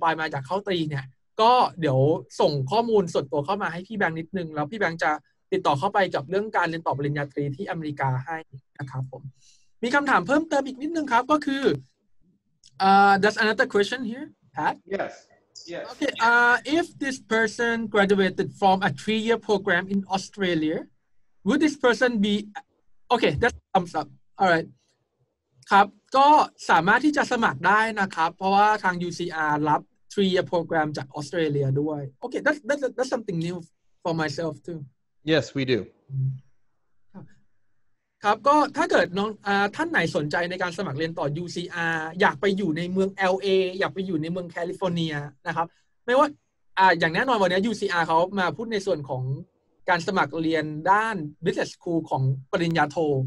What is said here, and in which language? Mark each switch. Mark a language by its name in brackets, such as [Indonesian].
[Thai] ปลายมาจากเข้าตรีเนี่ยก็เดี๋ยวส่งข้อมูลส่วนตัวเข้ามาให้พี่แบงค์นิดนึงแล้วพี่แบงค์จะติดต่อเข้าไปกับเรื่องการเรียนต่อปริญญาตรีที่อเมริกาให้นะครับผมมีคำถามเพิ่มเติมอีกนิดนึงครับก็คือ [English] there's another question here, Pat? Yes. Yes. Okay, if this person graduated from a three-year program in Australia, would this person be... Okay, that's thumbs up. All right. [Thai] ครับก็สามารถที่จะสมัครได้นะครับเพราะว่าทาง UCR รับ three-year program จากออสเตรเลียด้วย [English] Okay, that's something new for myself too. Yes, we do. [Thai] ครับก็ถ้าเกิดน้องท่านไหนสนใจในการสมัครเรียนต่อ UCR อยากไปอยู่ในเมือง LA อยากไปอยู่ในเมืองแคลิฟอร์เนียนะครับไม่ว่าอย่างแน่นอนวันนี้ UCR เขามาพูดในส่วนของการสมัครเรียนด้าน Business School ของปริญญาโท